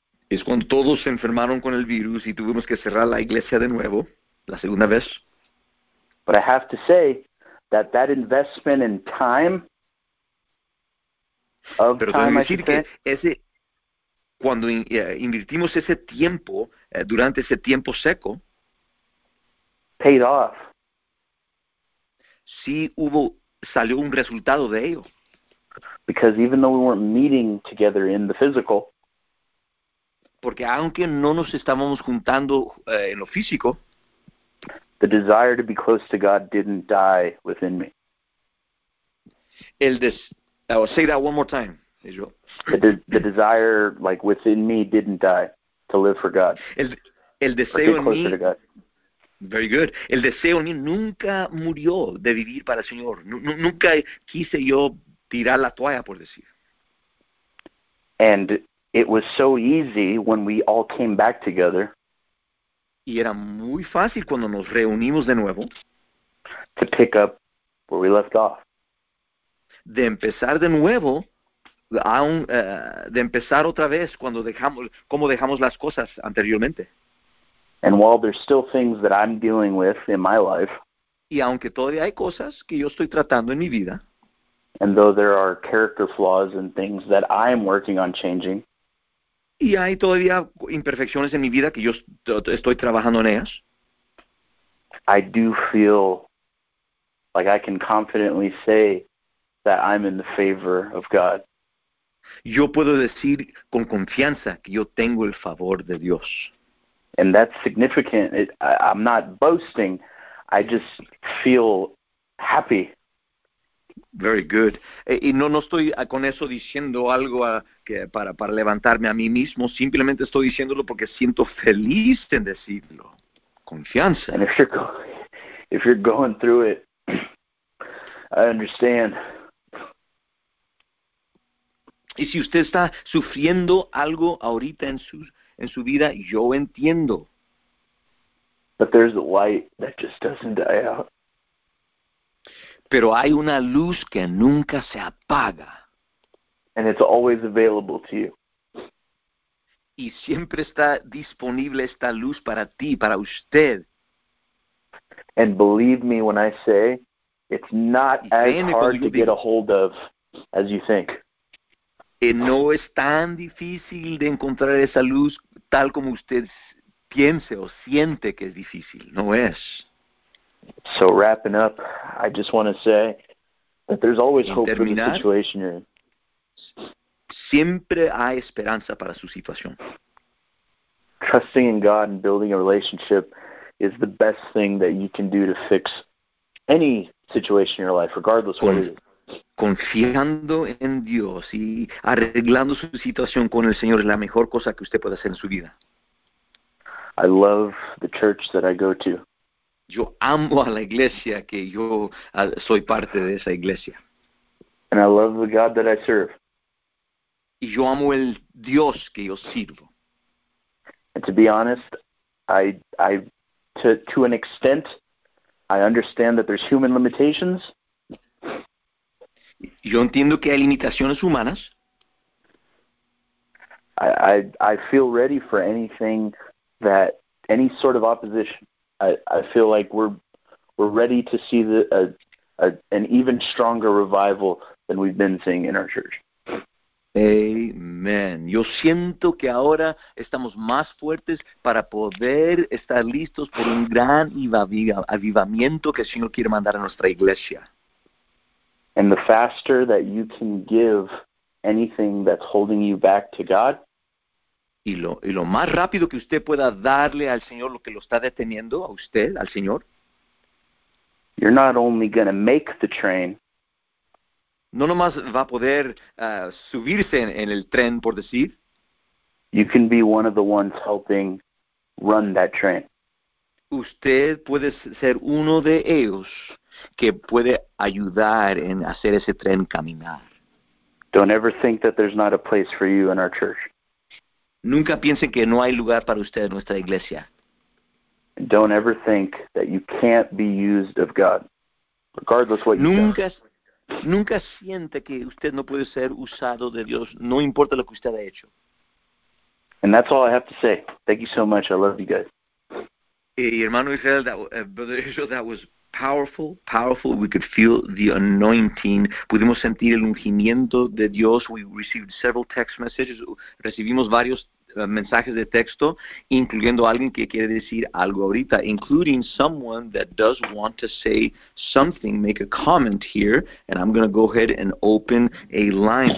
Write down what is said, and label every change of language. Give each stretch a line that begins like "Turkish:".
Spanish: Es cuando todos se enfermaron con el virus y tuvimos que cerrar la iglesia de nuevo, la segunda vez.
English: But I have to say that that investment in time, of
Spanish: Pero
English: time,
Spanish: decir
English: I should
Spanish: que
English: say,
Spanish: ese cuando invertimos ese tiempo, durante ese tiempo seco,
English: paid off.
Spanish: Sí hubo, salió un resultado de ello.
English: Because even though we weren't meeting together in the physical,
Spanish: porque aunque no nos estábamos juntando en lo físico,
English: the desire to be close to God didn't die within me. I will say that one more time. The desire, like within me, didn't die to live for God.
Spanish: El deseo en mí,
English: very good.
Spanish: El deseo en mí nunca murió de vivir para el Señor. Nunca quise yo tirar la toalla, por decir.
English: And it was so easy when we all came back together.
Spanish: Y era muy fácil cuando nos reunimos de nuevo.
English: To pick up where we left off.
Spanish: De empezar de nuevo. De empezar otra vez cuando dejamos cómo dejamos las cosas anteriormente.
English: And while there's still things that I'm dealing with in my life,
Spanish: y aunque todavía hay cosas que yo estoy tratando en mi vida,
English: and though there are character flaws and things that I'm working on changing,
Spanish: y hay todavía imperfecciones en mi vida que yo estoy trabajando en ellas,
English: I do feel like I can confidently say that I'm in the favor of God.
Spanish: Yo puedo decir con confianza que yo tengo el favor de Dios.
English: And that's significant. I'm not boasting. I just feel happy. Very good.
Spanish: Y no estoy con eso diciendo algo para levantarme a mí mismo. Simplemente estoy diciéndolo porque siento feliz en decirlo. Confianza.
English: And if you're going through it, I understand.
Spanish: Y si usted está sufriendo algo ahorita en su vida, yo entiendo.
English: But there's a light that just doesn't die out.
Spanish: Pero hay una luz que nunca se apaga.
English: And it's always available to you.
Spanish: Y siempre está disponible esta luz para ti, para usted.
English: And believe me when I say, it's not as hard to get a hold of as you think.
Spanish: No es tan difícil de encontrar esa luz tal como usted piense o siente que es difícil. No es.
English: So wrapping up, I just want to say that there's always hope for the situation you're in.
Spanish: Siempre hay esperanza para su situación.
English: Trusting in God and building a relationship is the best thing that you can do to fix any situation in your life, regardless what it is.
Spanish: Confiando en Dios y arreglando su situación con el Señor es la mejor cosa que usted puede hacer en su vida.
English: I love the church that I go to.
Spanish: Yo amo a la iglesia que yo soy parte de esa iglesia.
English: And I love the God that I serve.
Spanish: Y yo amo el Dios que yo sirvo.
English: And to be honest, to an extent, I understand that there's human limitations.
Spanish: Yo entiendo que hay limitaciones humanas.
English: I feel ready for anything, that any sort of opposition. I feel like we're ready to see an even stronger revival than we've been seeing in our church. Amen.
Spanish: Yo siento que ahora estamos más fuertes para poder estar listos por un gran avivamiento que el Señor quiere mandar a nuestra iglesia.
English: And the faster that you can give anything that's holding you back to God,
Spanish: y lo más rápido que usted pueda darle al Señor lo que lo está deteniendo, a usted, al Señor,
English: you're not only going to make the train,
Spanish: no nomás va a poder subirse en el tren, por decir,
English: you can be one of the ones helping run that train.
Spanish: Usted puede ser uno de ellos que puede ayudar en hacer ese tren caminar.
English: Don't ever think that there's not a place for you in our church.
Spanish: Nunca piensen que no hay lugar para usted en nuestra iglesia.
English: Don't ever think that you can't be used of God, regardless what
Spanish: nunca,
English: you've done.
Spanish: Nunca siente que usted no puede ser usado de Dios, no importa lo que usted ha hecho.
English: And that's all I have to say. Thank you so much. I love you guys.
Spanish: Y hermano
English: Israel, brother Israel, that was powerful, powerful. We could feel the anointing.
Spanish: Pudimos sentir el ungimiento de Dios.
English: We received several text messages.
Spanish: Recibimos varios mensajes de texto, incluyendo alguien que quiere decir algo ahorita,
English: including someone that does want to say something, make a comment here, and I'm going to go ahead and open a line.